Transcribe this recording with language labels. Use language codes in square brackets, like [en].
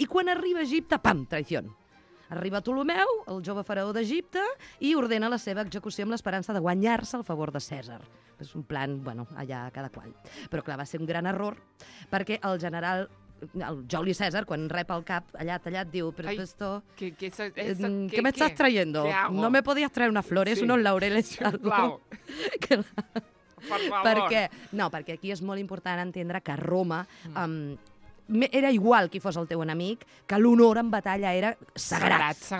[ca] I quan arriba a Egipte, pam, traïció. Arriba Ptolomeu, el jove faraó d'Egipte, i ordena la seva execució amb l'esperança de guanyar-se el favor de César. És un plan, allà cada qual. Però clar, va ser un gran error, perquè el general... El Juli César, quan rep el cap allà tallat, diu... Però esto... [es] ¿Qué me estás trayendo? No me podías traer unas flores, unos laureles, algo... [ca] Perquè aquí és molt important entendre que Roma era igual qui fos el teu enemic, que l'honor en batalla era sagrat.